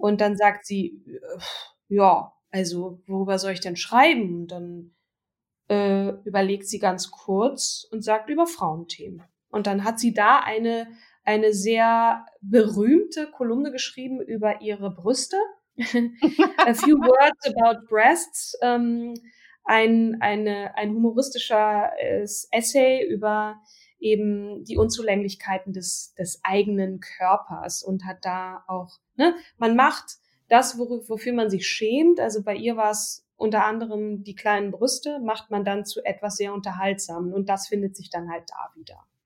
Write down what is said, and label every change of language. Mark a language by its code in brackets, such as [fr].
[de] Und dann sagt sie, ja, also worüber soll ich denn schreiben? Und dann überlegt sie ganz kurz und sagt über Frauenthemen. Und dann hat sie da eine sehr berühmte Kolumne geschrieben über ihre Brüste. [en] A few words about breasts. [de] Ein humoristisches Essay über eben die Unzulänglichkeiten des eigenen Körpers und hat da auch, ne, man macht das, wofür man sich schämt, also bei ihr war es unter anderem die kleinen Brüste, macht man dann zu etwas sehr Unterhaltsamen und das findet sich dann halt da wieder.